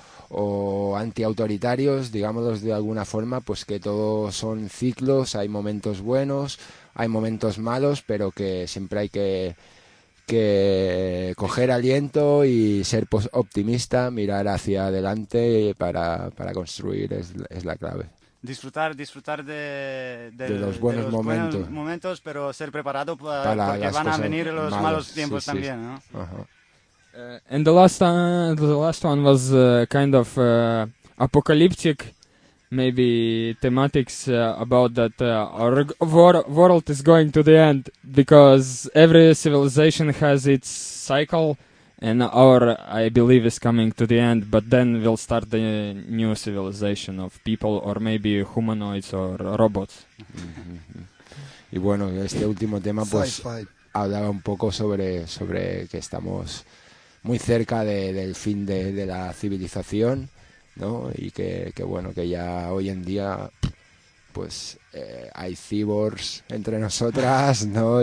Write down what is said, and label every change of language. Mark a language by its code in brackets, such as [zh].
[es] o antiautoritarios, digámoslos de alguna forma, pues que todo son ciclos, hay momentos buenos, hay momentos malos, pero que siempre hay que coger aliento y ser optimista, mirar hacia adelante para construir es la clave. Disfrutar de los buenos momentos, pero ser preparado porque van a venir los malos tiempos también, ¿no? [en] And the last one was kind of apocalyptic, maybe thematics about that our world is going to the end because every civilization has its cycle, and our, I believe, is coming to the end. But then we'll start the new civilization of people, or maybe humanoids or robots. [es] Y bueno, este último tema pues sci-fi hablaba un poco sobre que estamos muy cerca del fin de la civilización, ¿no? Y que bueno, que ya hoy en día pues hay cyborgs entre nosotras, ¿no?